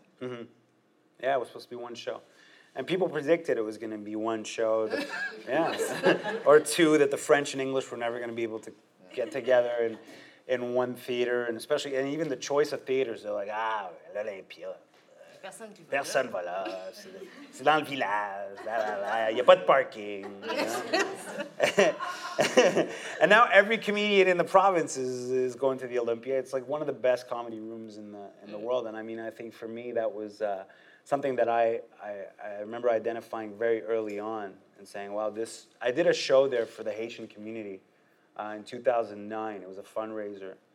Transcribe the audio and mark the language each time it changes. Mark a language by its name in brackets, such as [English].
[English] Mm-hmm. Yeah, it was supposed to be one show. And people predicted it was going to be one show. or two, that the French and English were never going to be able to get together in one theater. And especially, and even the choice of theaters, they're like, ah, l'Olympia. [French] Personne va là, c'est dans le village, là, là, là. Il n'y a pas de parking. [English] You know? And now every comedian in the province is going to the Olympia. It's like one of the best comedy rooms in the world. And I mean, I think for me, that was something that I remember identifying very early on and saying, wow, this. I did a show there for the Haitian community in 2009. It was a fundraiser.